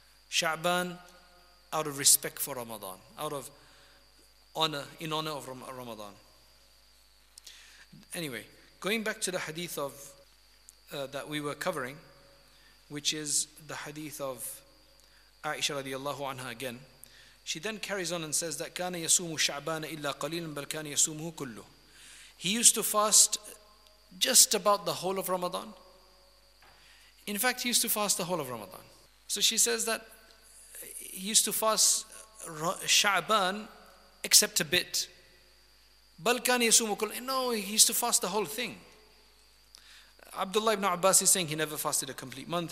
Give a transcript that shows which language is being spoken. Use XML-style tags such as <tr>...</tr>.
<en>Sha'ban out of respect for Ramadan, out of honor, in honor of Ramadan. Anyway, going back to the hadith of that we were covering, which is the hadith of Aisha radiallahu anha again. She then carries on and says that</en> <ar>كَانَ يَسُومُ شَعْبَانَ إِلَّا قَلِيلًا بَلْ كَانَ يَسُومُهُ كُلُّهُ.</ar> <en>He used to fast just about the whole of Ramadan. In fact, he used to fast the whole of Ramadan. So she says that he used to fast Sha'ban except a bit.</en> <ar>بَلْ كَانَ يَسُومُهُ كُلُّهُ.</ar> <en>No, he used to fast the whole thing. Abdullah ibn Abbas is saying he never fasted a complete month.</en>